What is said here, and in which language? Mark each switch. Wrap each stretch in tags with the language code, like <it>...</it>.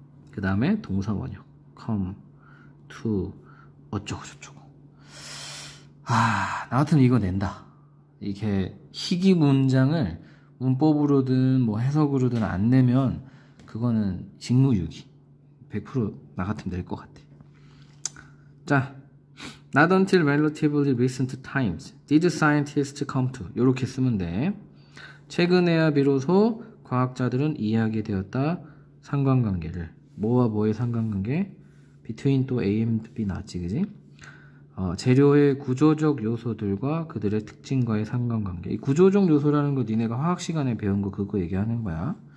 <ko>그 다음에 동사 원형, come to, 어쩌고 저쩌고. 아, 나 같으면 이거 낸다. 이렇게 희귀 문장을 문법으로든 뭐 해석으로든 안 내면 그거는 직무유기. 100%나 같으면 낼것 같아.</ko> <en>자, not until relatively recent times did scientists come to.</en> <ko>요렇게 쓰면 돼. 최근에야 비로소 과학자들은 이해하게 되었다. 상관관계를. 뭐와 뭐의 상관관계? between 또 AMB 나왔지, 그지? 재료의 구조적 요소들과 그들의 특징과의 상관관계. 이 구조적 요소라는 거 니네가 화학 시간에 배운 거 그거 얘기하는 거야.</ko>